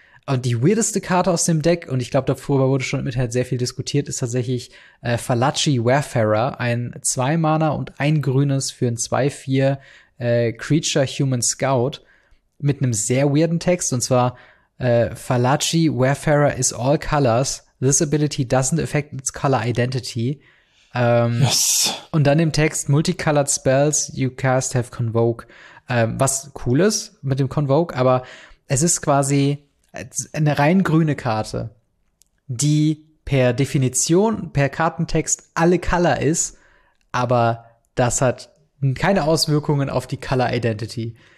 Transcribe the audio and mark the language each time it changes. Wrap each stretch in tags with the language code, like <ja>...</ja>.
<de>Und die weirdeste Karte aus dem Deck, und ich glaube, darüber wurde schon mit halt sehr viel diskutiert, ist tatsächlich Falachi Wayfarer, ein 2-Mana und ein grünes für ein 2-4 Creature Human Scout mit einem sehr weirden Text, und zwar Falachi Wayfarer</de> <en>is all colors. This ability doesn't affect its color identity. Yes.</en> <de>Und dann im Text</de> <en>Multicolored spells you cast have Convoke.</en> <de>Was cool ist mit dem Convoke, aber es ist quasi eine rein grüne Karte, die per Definition, per Kartentext alle Color ist, aber das hat keine Auswirkungen auf die Color Identity.</de>